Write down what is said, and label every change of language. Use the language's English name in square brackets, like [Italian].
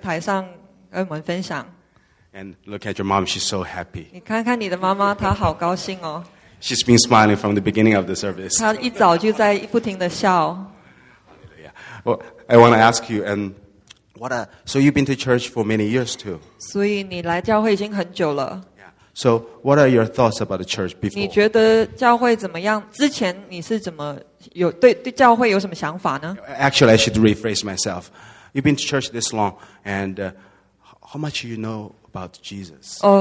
[Chinese] 我们真的很高兴你今天站在台上跟我们分享。And [English] look at your mom; she's so happy. [Chinese] 你看看你的妈妈，她好高兴哦。She's [English] been smiling from the beginning of the service. [Chinese] 她一早就在不停的笑。Yeah, [English] I want to ask you, and what? So you've been to church for many years too. [Chinese] 所以你来教会已经很久了。 [English] So, what are your thoughts about the church before? [Chinese] 你觉得教会怎么样? 之前你是怎么有对教会有什么想法呢? [English] Actually, I should rephrase myself. You've been to church this long, and how much do you know about Jesus?